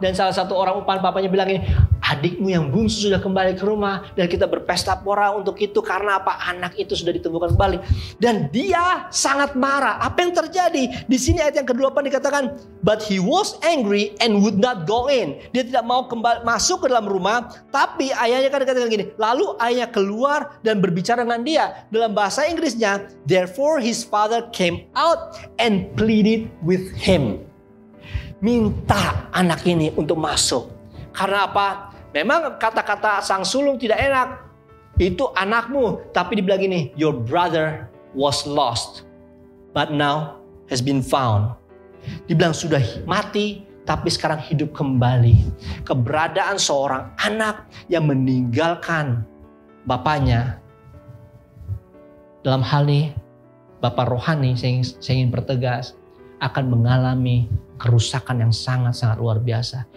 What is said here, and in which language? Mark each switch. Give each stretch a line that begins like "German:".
Indonesian: Dan salah satu orang upahan papanya bilang ini, adikmu yang bungsu sudah kembali ke rumah dan kita berpesta pora untuk itu karena apa? Anak itu sudah ditemukan kembali. Dan dia sangat marah. Apa yang terjadi? Di sini ayat yang ke-8 dikatakan,
English: but he was angry and would not go in.
Indonesian: Dia tidak mau kembali masuk ke dalam rumah, tapi ayahnya kan dikatakan gini, lalu ayahnya keluar dan berbicara dengan dia. Dalam bahasa Inggrisnya,
English: therefore his father came out and pleaded with him.
Indonesian: Minta anak ini untuk masuk. Karena apa? Memang kata-kata sang sulung tidak enak. Itu anakmu. Tapi dibilang gini,
English: your brother was lost, but now has been found.
Indonesian: Dibilang sudah mati, tapi sekarang hidup kembali. Keberadaan seorang anak yang meninggalkan bapaknya. Dalam hal ini, bapak rohani, saya ingin pertegas, akan mengalami kerusakan yang sangat-sangat luar biasa.